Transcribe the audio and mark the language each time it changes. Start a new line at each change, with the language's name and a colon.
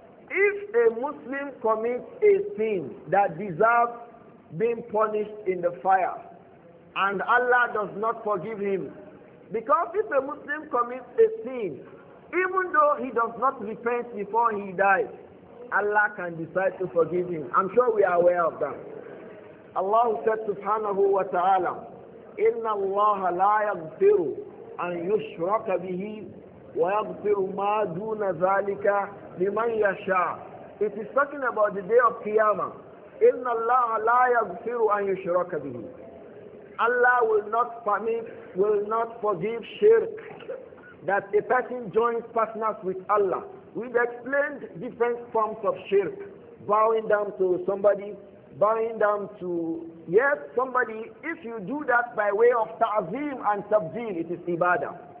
English: If a Muslim commits a sin that deserves being punished in the fire, and Allah does not forgive him, because if a Muslim commits a sin, even though he does not repent before he dies, Allah can decide to forgive him. I'm sure we are aware of that. Allah said subhanahu wa ta'ala,
Arabic: إِنَّ اللَّهَ لَا يَغْفِرُ أَنْ يُشْرَكَ بِهِ وَيَغْفِرُ مَا دُونَ ذَلِكَ لِمَنْ يَشَاءُ.
English: It is talking about the day of Qiyamah.
Arabic: إِنَّ اللَّهَ لَا يَغْفِرُ أَنْ يُشْرَكَ بِهِ.
English: Allah will not permit, will not forgive shirk, that a person joins partners with Allah. We've explained different forms of shirk. Bowing down to somebody, bowing down to, yes, somebody, if you do that by way of ta'zim and tabdil, it is ibadah.